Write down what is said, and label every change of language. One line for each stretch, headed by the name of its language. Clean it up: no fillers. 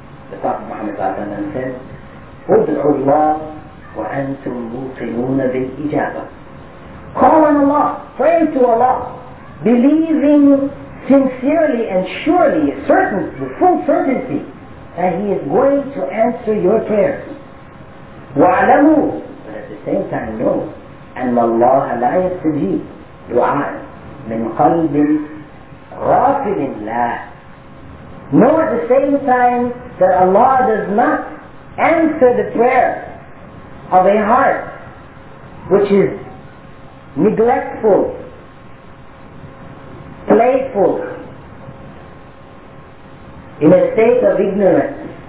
English: The Prophet Muhammad said,
Arabic: "Ud'u Allah wa antum muqinuna bil ijaba."
English: Call on Allah, pray to Allah, believing sincerely and surely, certain, with full certainty, that He is going to answer your prayers.
Arabic: Wa'alamu,
English: but at the same time know,
Arabic: أَنَّ اللَّهَ لَا يَسْتَجِيبُ دُعَاءً مِنْ قَلْبٍ غَافِلٍ لَهُ.
English: Know at the same time that Allah does not answer the prayer of a heart which is neglectful, playful, in a state of ignorance.